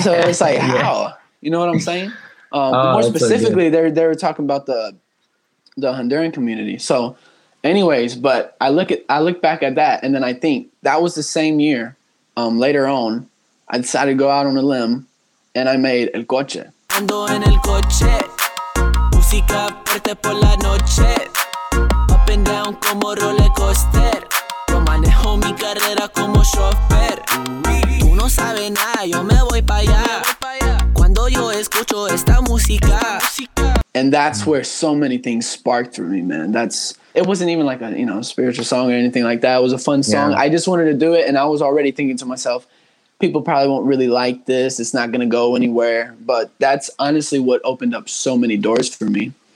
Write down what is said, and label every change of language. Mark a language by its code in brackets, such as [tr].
[en] So it's like, how? You know what I'm saying? More specifically, they were talking about the Honduran community. So anyways, but I look back at that, and then I think that was the same year, later on, I decided to go out on a limb, and I made El Coche. [es] Ando en el coche, música fuerte por la noche, [en] up and down [es] como roller coaster, yo manejo mi carrera como chofer, tú no sabes nada, yo me voy para allá. [en] And that's where so many things sparked for me, man. It wasn't even like a, you know, spiritual song or anything like that. It was a fun song. I just wanted to do it, and I was already thinking to myself, people probably won't really like this. It's not gonna go anywhere. But that's honestly what opened up so many doors for me.